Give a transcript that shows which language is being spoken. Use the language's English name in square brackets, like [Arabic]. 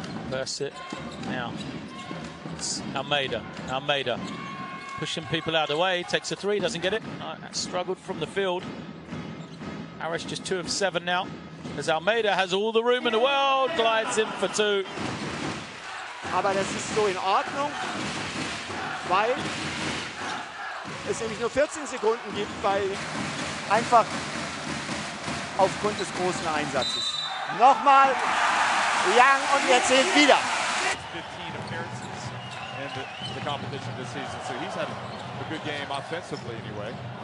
[English] Burst it now. It's Almeida. Almeida. Pushing people out of the way, takes a three, doesn't get it. Struggled from the field. Harris just 2 of 7 now. As Almeida has all the room in the world, glides in for 2. [German] Aber das ist so in Ordnung, weil es nämlich nur 14 Sekunden gibt, weil einfach aufgrund des großen Einsatzes. Nochmal, Young und jetzt hin wieder. [English] The competition this season, so he's had a good game offensively anyway.